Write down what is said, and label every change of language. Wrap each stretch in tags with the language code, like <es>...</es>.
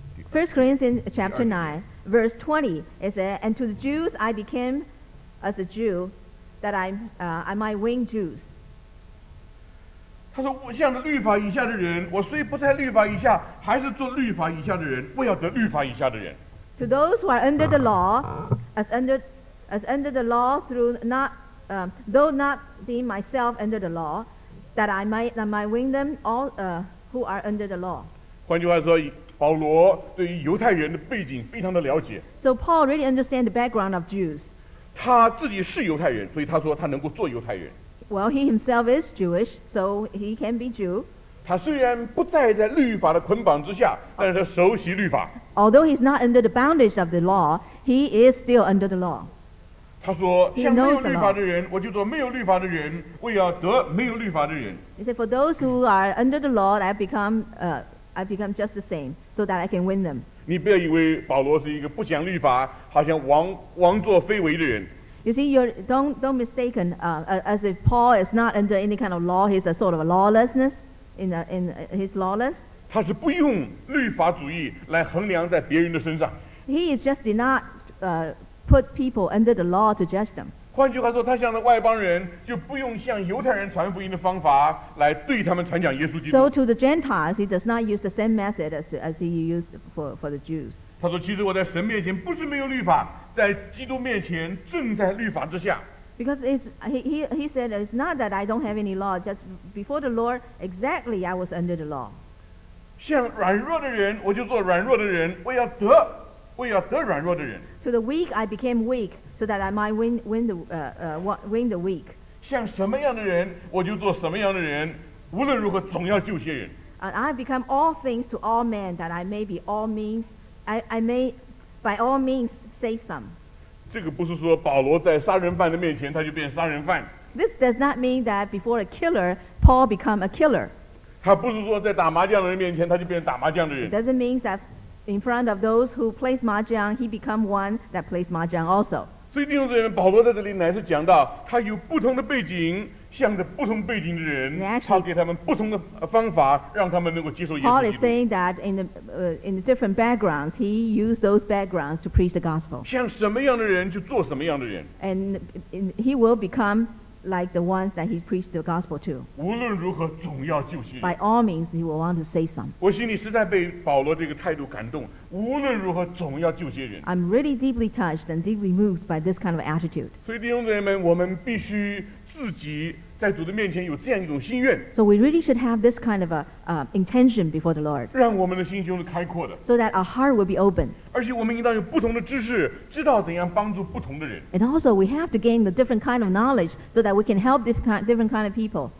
<en>First Corinthians chapter 9, verse 20, it said, "And to the Jews I became as a Jew, that I might win Jews."</en> <zh>他说，我向着律法以下的人，我虽不在律法以下，还是做律法以下的人，我要得律法以下的人。</zh> <en>To those who are under the law, as under the law through not, though not being myself under the law, that I might win them all who are under the law.</en> <zh>换句话说，保罗对于犹太人的背景非常的了解。</zh> <en>So Paul really understands the background of Jews.</en> <zh>他自己是犹太人，所以他说他能够做犹太人。</zh> <en>Well, he himself is Jewish, so he can be Jew.</en> <zh>他虽然不再在律法的捆绑之下，但是他熟悉律法。</zh> <en>Although he's not under the boundaries of the law, he is still under the law.</en> <zh>他说，像没有律法的人，我就做没有律法的人，我要得没有律法的人。</zh> <en>He said, for those who are under the law, I become just the same, so that I can win them.</en> <zh>你不要以为保罗是一个不讲律法，好像枉做非为的人。</zh> <en>You see, don't mistaken as if Paul is not under any kind of law. He's a sort of a lawlessness in his lawless.</en> <zh>他是不用律法主义来衡量在别人的身上。</zh> <en>He is just did not put people under the law to judge them.</en> <zh>换句话说，他向着外邦人就不用向犹太人传福音的方法来对他们传讲耶稣基督。</zh> <en>So to the Gentiles, he does not use the same method as he used for the Jews.</en> <zh>他说：“其实我在神面前不是没有律法，在基督面前正在律法之下。”</zh> <en>Because he said it's not that I don't have any law, just before the Lord, exactly I was under the law.</en> <zh>向软弱的人，我就做软弱的人，我要得。我要得软弱的人。</zh> <en>To the weak, I became weak, so that I might win the weak.</en> <zh>像什么样的人，我就做什么样的人。无论如何，总要救些人。</zh> <en>And I become all things to all men, that I may be all means, I may by all means save some.</en> <zh>这个不是说保罗在杀人犯的面前他就变杀人犯。</zh> <en>This does not mean that before a killer, Paul become a killer.</en> <zh>他不是说在打麻将的人面前他就变打麻将的人。</zh> <en>It doesn't mean that. In front of those who plays mahjong, he become one that plays mahjong also.</en> <zh>所以弟兄姊妹，保罗在这里乃是讲到他有不同的背景，向着不同背景的人，他给他们不同的方法，让他们能够接受耶稣基督。</zh> <en>Paul is saying that in the different backgrounds, he used those backgrounds to preach the gospel.</en> <zh>像什么样的人就做什么样的人。</zh> <en>And he will become like the ones that he preached the gospel to.</en> <zh>无论如何总要救些人。</zh> <en>By all means, he will want to save some.</en> <zh>我心里实在被保罗这个态度感动，无论如何总要救些人。</zh> <en>I'm really deeply touched and deeply moved by this kind of attitude.</en> <zh>所以弟兄姊妹们，我们必须自己在主的面前有这样一种心愿。</zh> <en>So we really should have this kind of intention before the Lord.</en> <zh>让我们的心胸是开阔的。</zh> <en>So that our heart will be open.</en> <zh>而且我们应当有不同的知识，知道怎样帮助不同的人。</zh> <en>And also we have to gain the different kind of knowledge so that we can help different kind of people.</en>